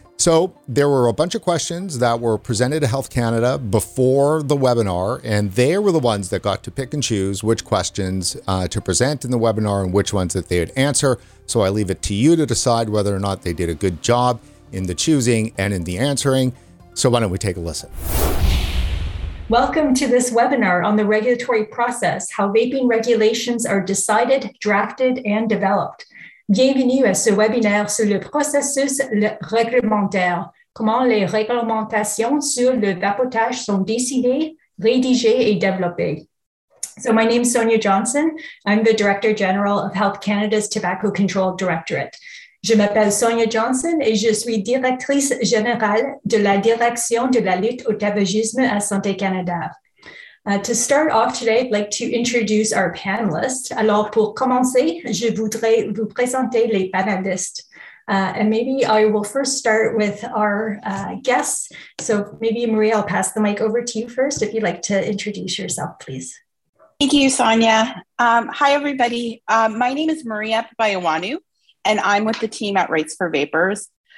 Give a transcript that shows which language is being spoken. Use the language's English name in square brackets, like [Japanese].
[English] So there were a bunch of questions that were presented to Health Canada before the webinar, and they were the ones that got to pick and choose which questions to present in the webinar and which ones that they would answer. So I leave it to you to decide whether or not they did a good job in the choosing and in the answering. So why don't we take a listen? Welcome to this webinar on the regulatory process, how vaping regulations are decided, drafted, and developed. [French] Bienvenue à ce webinaire sur le processus réglementaire. Comment les réglementations sur le vapotage sont décidées, rédigées et développées. [English] So my name is Sonia Johnson. I'm the Director General of Health Canada's Tobacco Control Directorate. [French] Je m'appelle Sonia Johnson et je suis directrice générale de la Direction de la lutte au tabagisme à Santé Canada. [English] To start off today, I'd like to introduce our panelists. [French] Alors, pour commencer, je voudrais vous présenter les panelistes. [English] And maybe I will first start with our guests. So maybe, Maria, I'll pass the mic over to you first, if you'd like to introduce yourself, please. Thank you, Sonia. Hi, everybody. My name is Maria Bayawanu, and I'm with the team at Rights for Vapors.